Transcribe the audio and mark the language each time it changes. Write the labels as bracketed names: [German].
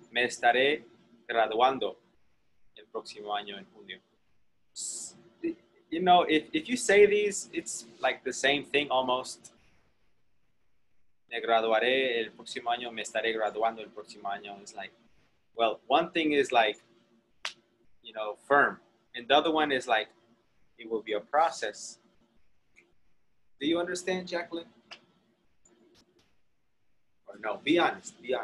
[Spanish] Me estaré graduando el próximo año en junio. [English] You know, if you say these, it's like the same thing almost. [Spanish] Me graduaré el próximo año, me estaré graduando el próximo año. [English] It's like, well, one thing is like, you know, firm. And the other one is like, it will be a process. Do you understand, Jacqueline? Or no, be honest.